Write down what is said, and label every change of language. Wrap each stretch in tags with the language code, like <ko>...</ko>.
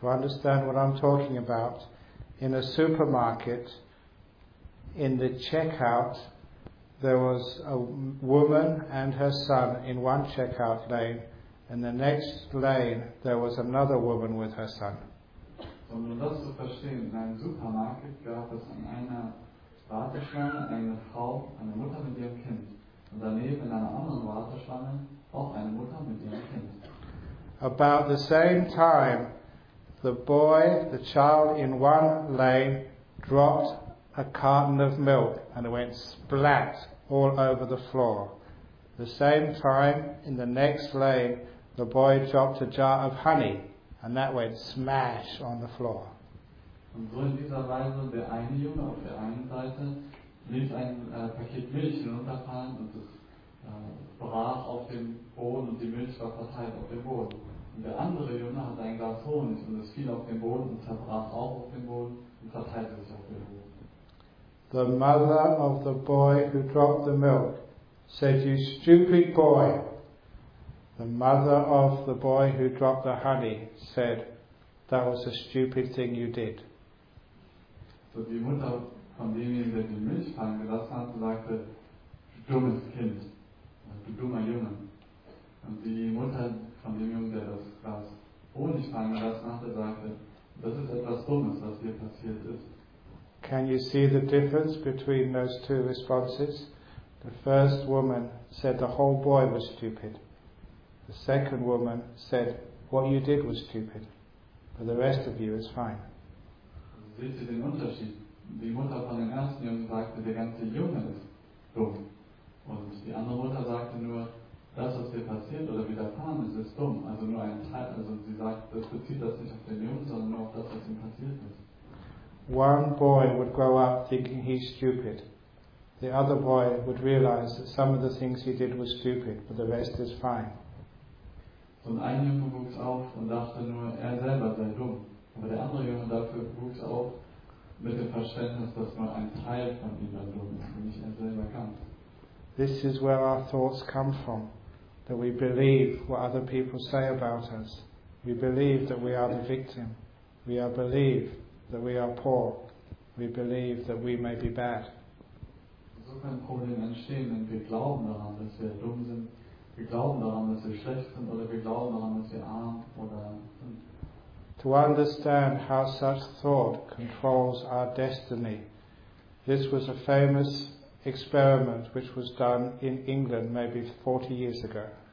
<en>To understand what I'm talking about, in a supermarket, in the checkout, there was a woman and her son in one checkout lane. In the next lane, there was another woman with her son.</en> <de>So, um das zu verstehen, in einem Supermarkt gab es in einer Warteschlange eine Frau, eine Mutter mit ihrem Kind. Und daneben in einer anderen Warteschlange auch eine Mutter mit ihrem Kind.</de> <en>About the same time, the boy, the child in one lane, dropped a carton of milk and it went splat all over the floor. The same time, in the next lane, the boy dropped a jar of honey and that went smash on the floor.</en> <de>Und so in dieser Weise, der eine Junge auf der einen Seite ließ ein Paket Milch hinunterfallen und es brach auf dem Boden und die Milch war verteilt auf dem Boden. Und der andere Junge hat ein Glas Honig und es fiel auf den Boden und zerbrach auch auf dem Boden und verteilte sich auf dem Boden.</de> <en>The mother of the boy who dropped the milk said, "You stupid boy." The mother of the boy who dropped the honey said, "That was a stupid thing you did."</en> <de>So die Mutter von demjenigen, der die Milch fallen gelassen hat, sagte, "Du dummes Kind, du dummer Junge." Und die Mutter von dem Jungen, der das Glas Honig fallen gelassen hatte, sagte, "Das ist etwas Dummes, was dir passiert ist."</de> <en>Can you see the difference between those two responses? The first woman said the whole boy was stupid. The second woman said what you did was stupid. But the rest of you is fine.</en> <de>Seht ihr den Unterschied? Die Mutter von dem ersten Jungen sagte, der ganze Junge ist dumm. Und die andere Mutter sagte nur, das, was dir passiert oder widerfahren ist, ist dumm. Also nur ein Teil. Also sie sagt, das bezieht das nicht auf den Jungen, sondern nur auf das, was ihm passiert ist.</de> <en>One boy would grow up thinking he's stupid. The other boy would realize that some of the things he did was stupid, but the rest is fine.</en> <de>Und ein Junge wuchs auf und dachte nur, er selber sei dumm. Aber der andere Junge dafür wuchs auf mit dem Verständnis, dass nur ein Teil von ihm sei dumm ist und nicht er selber kann.</de> <en>This is where our thoughts come from, that we believe what other people say about us. We believe that we are the victim. We are believed that we are poor, we believe that we may be bad.</en> <de>So kann ein Problem entstehen, wenn wir glauben daran, dass wir dumm sind, wir glauben daran, dass wir schlecht sind, oder wir glauben daran, dass wir arm oder sind.</de> <en>To understand how such thought controls our destiny, this was a famous experiment which was done in England maybe 40 years ago.</en>